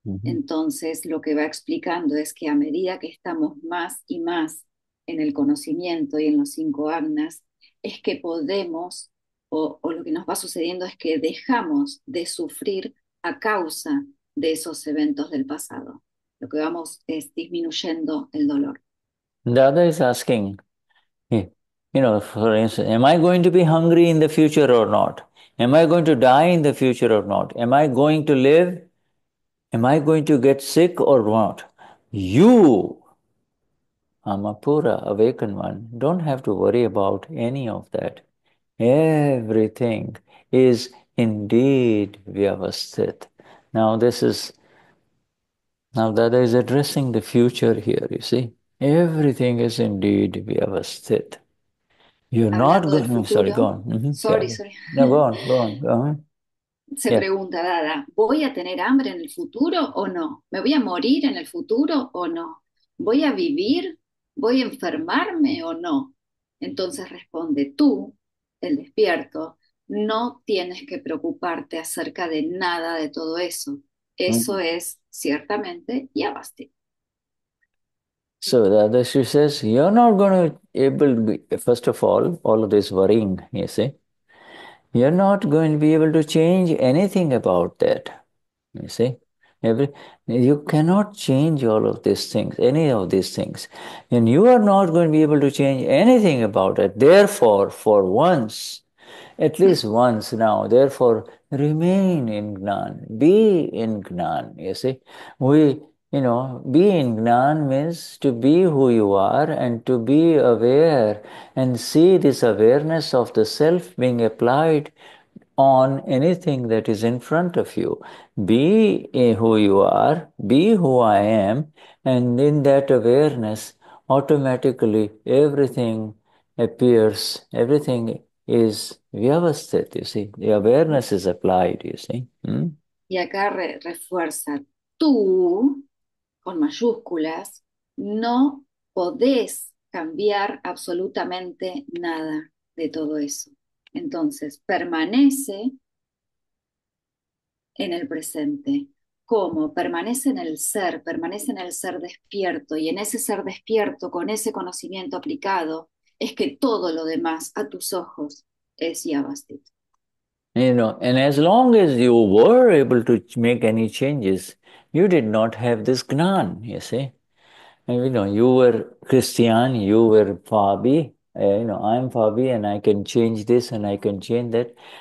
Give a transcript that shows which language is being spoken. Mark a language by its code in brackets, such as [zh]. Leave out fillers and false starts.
[es] Entonces lo que va explicando es que a medida que estamos más y más en el conocimiento y en los cinco agnas, es que podemos, o lo que nos va sucediendo es que dejamos de sufrir a causa de esos eventos del pasado. Lo que vamos es disminuyendo el dolor. [en] Dada is asking, know, for instance, am I going to be hungry in the future or not? Am I going to die in the future or not? Am I going to live? Am I going to get sick or not? You, Amapura, awakened one, don't have to worry about any of that. Everything is indeed Vyavasthit. Now Dada is addressing the future here, you see. Everything is indeed Vyavasthit. You're not [es] Hablando del [en] going, sorry, go [es] futuro, [en] on. sorry, No, go on. [es] se pregunta Dada, ¿voy a tener hambre en el futuro o no? ¿Me voy a morir en el futuro o no? ¿Voy a vivir? ¿Voy a enfermarme o no? Entonces responde, tú, el despierto, no tienes que preocuparte acerca de nada de todo eso. Eso es ciertamente Yavastit. [en] So the other she says, you're not going to able to be, first of all of this worrying, you see. You're not going to be able to change anything about that. You see? You cannot change all of these things, any of these things. And you are not going to be able to change anything about it. Therefore, for once, at least once now, therefore, remain in Gnan. Be in Gnan, you see. Be in Gnan means to be who you are and to be aware and see this awareness of the self being applied on anything that is in front of you. Be who you are, be who I am, and in that awareness, automatically everything appears, everything is Vyavasthit, you see, the awareness is applied, you see. [es] Y acá refuerza, tú, con mayúsculas, no podés cambiar absolutamente nada de todo eso. Entonces, permanece en el presente. ¿Cómo? Permanece en el ser despierto. Y en ese ser despierto, con ese conocimiento aplicado, es que todo lo demás a tus ojos es Yavastit. [en] You know, and as long as you were able to make any changes, you did not have this Gnan, you see. And you know, you were Christian, you were Fabi, I'm Fabi and I can change this and I can change that.